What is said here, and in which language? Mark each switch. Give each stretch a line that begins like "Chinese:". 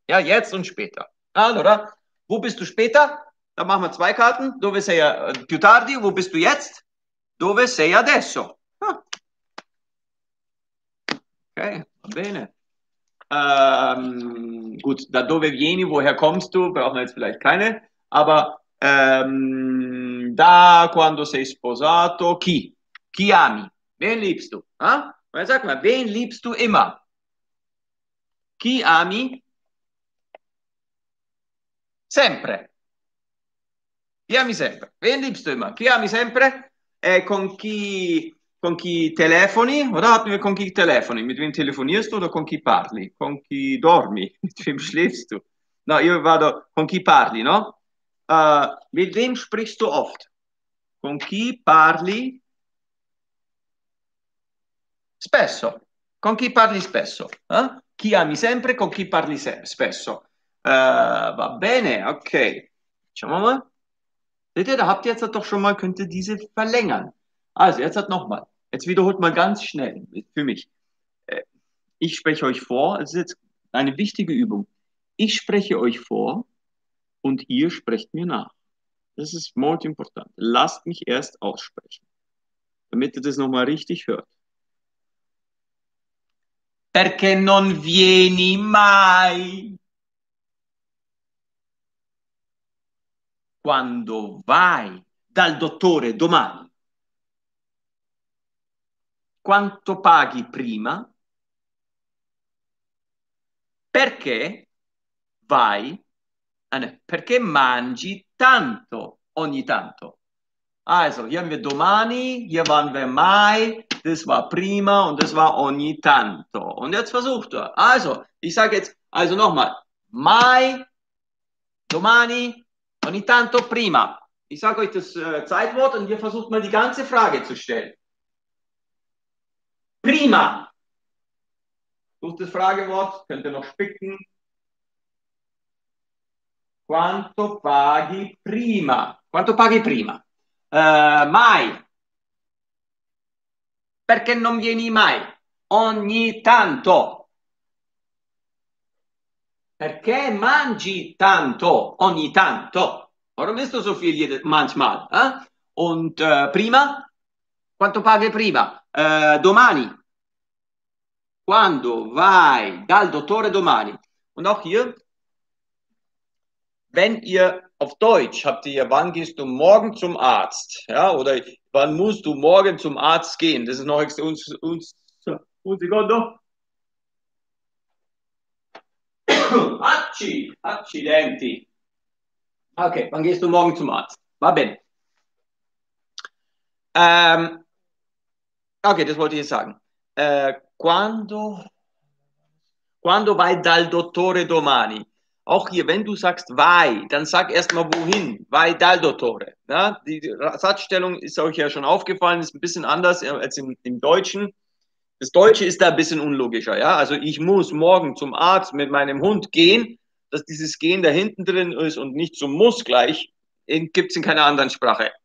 German: Ja, jetzt und später. Allora, wo bist du später? Dann machen wir 2 Karten.
Italian: Dove sei più tardi?
German: Wo bist du jetzt?
Italian: Dove sei adesso? Okay, va bene.
German: Gut,
Italian: da dove vieni,
German: woher kommst du? Brauchen wir jetzt vielleicht keine. Aber da,
Italian: quando sei sposato, chi? Chi ami?
German: Wen liebst du? Ah? Sag mal, wen liebst du immer?
Italian: Chi ami? Sempre. Chi ami sempre?
German: Wen liebst du immer?
Italian: Chi ami sempre? Con chi Con chi telefoni?
German: Oder
Italian: con chi telefoni?
German: Mit wem telefonierst du oder
Italian: con chi parli? Con chi dormi?
German: Mit wem schläfst du?
Italian: No, io vado con chi parli, no?
German: Mit wem sprichst du oft?
Italian: Con chi parli? Spesso. Con chi parli spesso? Eh? Chi ami sempre, con chi parli spesso? Va bene, ok. Facciamo mal.
German: Vedete, da habt ihr jetzt doch schon mal, könnte diese verlängern. Also, jetzt hat noch mal. Jetzt wiederholt mal ganz schnell für mich. Ich spreche euch vor, es ist jetzt eine wichtige Übung. Ich spreche euch vor und ihr sprecht mir nach. Das ist
Italian: molto importante.
German: Lasst mich erst aussprechen, damit ihr das nochmal richtig hört.
Italian: Perché non vieni mai? Quando vai dal dottore domani? Quanto paghi prima? Perché vai? Perché mangi tanto ogni tanto?
German: Also, hier haben wir domani, hier waren wir mai. Das war prima und das war ogni tanto. Und jetzt versucht er. Also, ich sage jetzt, also nochmal. Mai, domani, ogni tanto, prima. Ich sage euch das Zeitwort und ihr versucht mal die ganze Frage zu stellen. Prima. Sucht das Fragewort, könnt ihr noch spicken.
Italian: Quanto paghi prima? Quanto paghi prima? Mai. Perché non vieni mai? Ogni tanto. Perché mangi tanto? Ogni tanto.
German: Warum isst du so viel manchmal?
Italian: Eh? Und prima? Quanto paghi prima? Domani. Quando vai dal dottore domani?
German: Und auch hier, wenn ihr auf Deutsch habt ihr, wann gehst du morgen zum Arzt? Ja, oder wann musst du morgen zum Arzt gehen? Das ist noch extra
Italian: un secondo.
German: Acci, accidenti. Okay, wann gehst du morgen zum Arzt? Va bene. Okay, das wollte ich sagen.
Italian: Quando vai dal dottore domani?
German: Auch hier, wenn du sagst, vai, dann sag erstmal wohin.
Italian: Vai dal dottore.
German: Ja, die Satzstellung ist euch ja schon aufgefallen, ist ein bisschen anders als im Deutschen. Das Deutsche ist da ein bisschen unlogischer. Ja, also ich muss morgen zum Arzt mit meinem Hund gehen, dass dieses Gehen da hinten drin ist und nicht zum Muss gleich, gibt es in keiner anderen Sprache.